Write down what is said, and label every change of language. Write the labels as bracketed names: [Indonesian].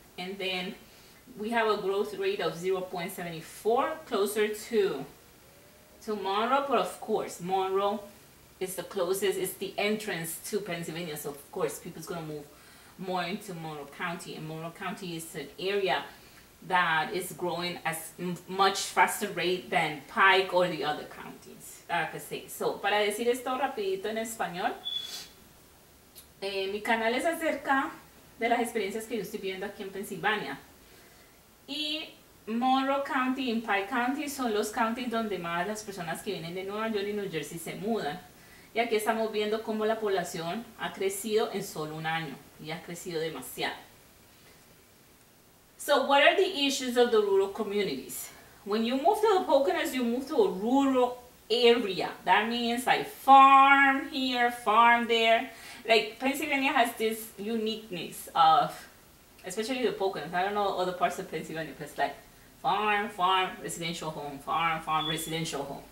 [English] And then we have a growth rate of 0.74, closer to Monroe, but of course, Monroe is the closest, it's the entrance to Pennsylvania, so of course, people's gonna move more into Monroe County, and Monroe County is an area that is growing at much faster rate than Pike or the other counties, I could say. [Spanish] So, para decir esto rapidito en español, mi canal es acerca de las experiencias que yo estoy viviendo aquí en Pennsylvania, y Monroe County y Pike County son los counties donde más las personas que vienen de Nueva York y New Jersey se mudan. Y aquí estamos viendo cómo la población ha crecido en solo un año y ha crecido demasiado. [English] So what are the issues of the rural communities? When you move to the Poconos, you move to a rural area. That means like farm here, farm there. Like Pennsylvania has this uniqueness of, especially the Poconos, I don't know other parts of Pennsylvania, but it's like farm, residential home, farm, residential home.